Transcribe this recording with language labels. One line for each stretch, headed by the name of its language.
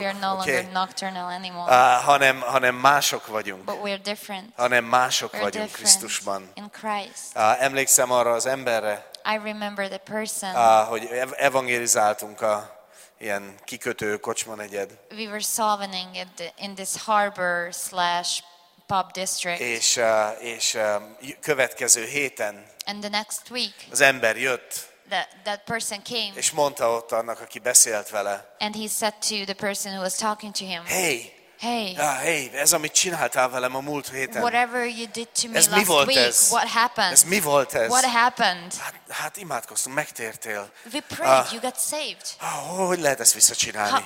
English: We are no longer nocturnal animals.
Hungarian: Hanem mások vagyunk.
English: But we are different.
Hungarian: Hanem mások vagyunk Krisztusban.
English: In Christ.
Hungarian: Emlékszem arra az emberre.
English: I remember the person.
Hungarian: Hogy evangelizáltunk a ilyen kikötő kocsmanegyed.
English: We were solving it in this harbor / pub district.
Hungarian: És következő héten.
English: And the next week.
Hungarian: Az ember jött.
English: That person came.
Hungarian: És mondta ott annak, aki beszélt vele.
English: And he said to the person who was talking to him. Hey. Hey.
Hungarian: Hey, ez amit csináltál velem a múlt héten.
English: Whatever you did to me last week.
Hungarian: Ez?
English: What happened?
Hungarian: Ez mi volt ez?
English: What happened?
Hungarian: Hát imádkoztunk, megtértél.
English: We prayed, you got saved.
Hungarian: Hogy lehet ezt visszacsinálni?